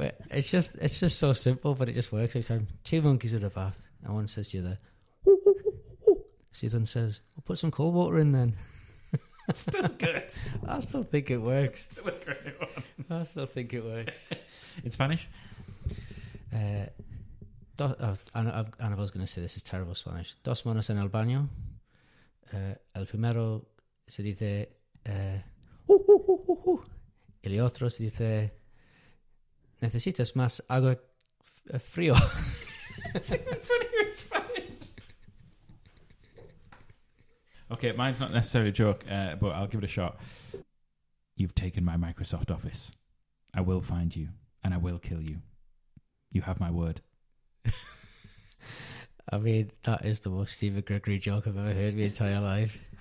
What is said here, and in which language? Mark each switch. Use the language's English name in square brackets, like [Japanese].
[English] It's just so simple, but it just works every time. Two monkeys in a bath, and one says to the other, Susan says, "Well, put some cold water in then." Still good. I still think it works. It's still a great one. I still think it works. In Spanish? Annabelle's going to say this is terrible Spanish. [Spanish] Dos monos en el baño. El primero se dice el otro se dice necesitas más agua frío. [English] It's even funnier in Spanish. Okay, mine's not necessarily a joke, but I'll give it a shot. You've taken my Microsoft Office. I will find you, and I will kill you. You have my word. I mean, that is the most Stephen Gregory joke I've ever heard in my entire life.